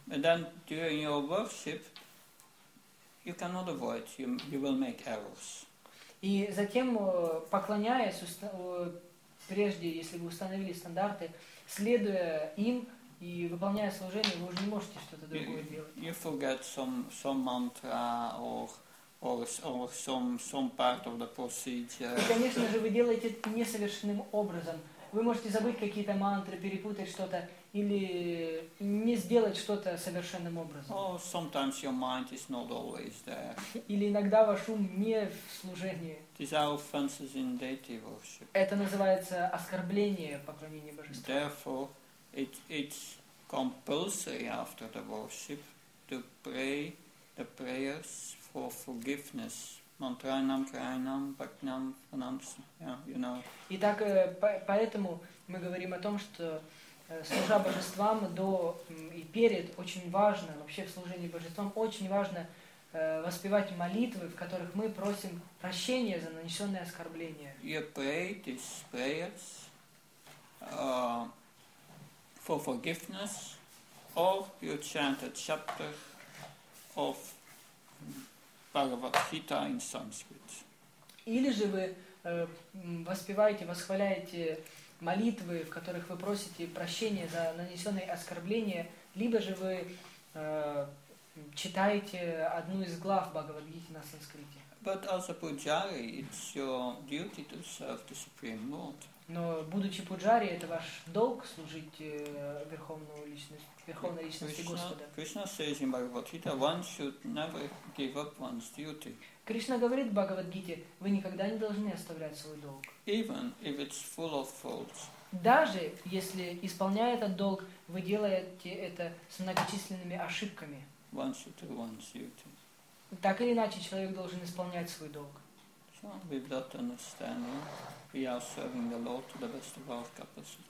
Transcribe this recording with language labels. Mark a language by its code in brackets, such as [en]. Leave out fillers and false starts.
[en] And then during your worship, you cannot avoid, you will make errors. [ru] И затем, поклоняясь, прежде, если вы установили стандарты, следуя им и выполняя служение, вы уже не можете что-то другое делать. [en] You forget some mantra or some part of the procedure. [ru] И, конечно же, вы делаете это несовершенным образом. Вы можете забыть какие-то мантры, перепутать что-то или не сделать что-то совершенным образом. [en] Oh, sometimes your mind is not always there. [ru] Или иногда ваш ум не в служении. [en] These are offenses in deity worship. [ru] Это называется оскорбление поклонения божеству. [en] Therefore, it's compulsory after the worship to pray the prayers for forgiveness. Mantrainam, krainam, bhaknam, phanamsam. Yeah, you know. [ru] Итак, поэтому мы говорим о том, что служа божествам до и перед очень важно, вообще в служении божествам очень важно воспевать молитвы, в которых мы просим прощения за нанесенные оскорбления. [en] You pray these prayers for forgiveness, or you chant a chapter of Bhagavad Gita in Sanskrit. [ru] Или же вы воспеваете, восхваляете молитвы, в которых вы просите прощения за нанесенные оскорбления, либо же вы читаете одну из глав Бхагавад-гиты на санскрите. [en] But as a pujari, it's your duty to serve the Supreme Lord. [ru] Но будучи пуджари, это ваш долг служить верховному личности, верховной личности Господа. [en] Krishna says in Bhagavad-gita, one should never give up one's duty. [ru] Кришна говорит в Бхагавад-гите, вы никогда не должны оставлять свой долг. [en] Even if it's full of faults. [ru] Даже если, исполняя этот долг, вы делаете это с многочисленными ошибками. [en] One should do one's duty. [ru] Так или иначе, человек должен исполнять свой долг. [en] So, with that understanding, we are serving the Lord to the best of our capacity.